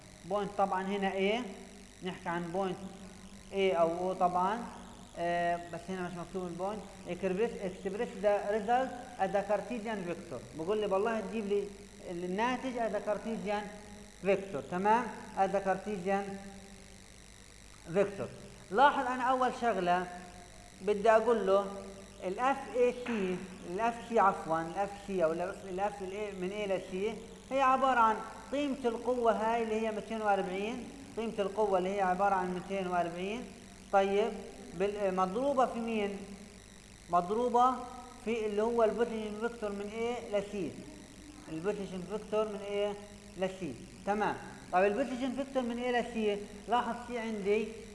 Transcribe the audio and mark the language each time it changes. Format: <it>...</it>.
<ar>Point طبعا هنا A. نحكي عن point A أو O طبعا. بس هنا مش مكتوب البوينت.</ar> <en>Express the result at the Cartesian vector.</en> <ar>بقول لي بالله تجيب لي الناتج</ar> <en>at the Cartesian vector.</en> <ar>تمام؟</ar> <en>at the Cartesian vector.</en> <ar>لاحظ أنا أول شغلة بدي أقول له الاف اي سي الاف سي عفوا الاف سي او الاف الاي من اي لسي هي عباره عن قيمه القوه هاي اللي هي 240 قيمه القوه اللي هي عباره عن 240 طيب مضروبه في مين مضروبه في اللي هو البوتنشال فيكتور من اي لسي البوتنشال فيكتور من اي لسي تمام طيب البوتنشال فيكتور من اي لسي لاحظ في عندي</ar>